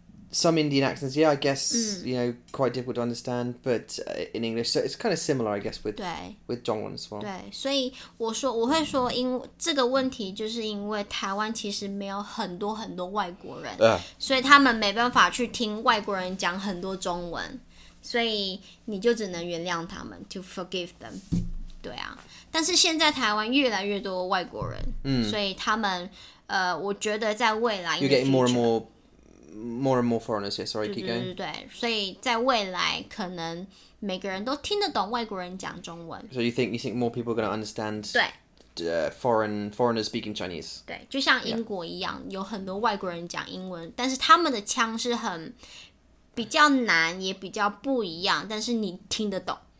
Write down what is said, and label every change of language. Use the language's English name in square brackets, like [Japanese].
[English] Some Indian accents, yeah, I guess, you know, quite difficult to understand, but in English, so it's kind of similar, I guess, with 中文 as well. [Chinese] 对，所以我会说因为这个问题就是因为台湾其实没有很多很多外国人，所以他们没办法去听外国人讲很多中文，所以你就只能原谅他们 ， [English] to forgive them. [Chinese] 对啊，但是现在台湾越来越多外国人，所以他们我觉得在未来 [English] You're getting more and more foreigners, yeah, sorry, keep going. [Chinese] 对，所以在未来可能每个人都听得懂外国人讲中文。 [English] So you think more people are going to understand foreigners speaking Chinese? [Chinese] 对，就像英国一样，有很多外国人讲英文，但是他们的腔是很比较难，也比较不一样，但是你听得懂。